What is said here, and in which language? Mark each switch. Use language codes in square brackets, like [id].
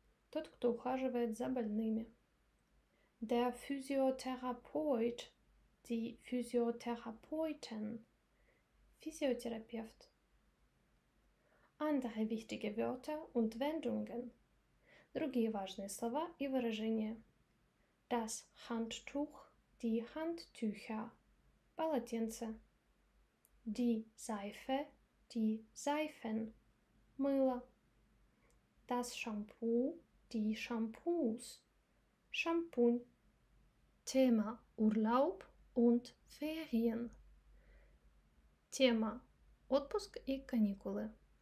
[ru] Тот, кто ухаживает за больными. [de] Der Physiotherapeut. Die Physiotherapeuten. Physiotherapeut. Andere wichtige Wörter und Wendungen. [ru] Другие важные слова и выражения. [de] Das Handtuch. Die Handtücher. [ru] Полотенце. [de] Die Seife. Die Seifen. [ru] Мыло. [de] Das Shampoo. Die Shampoos. [ru] Шампунь. [de] Thema Urlaub und Ferien. [ru] Thema Отпуск и каникулы.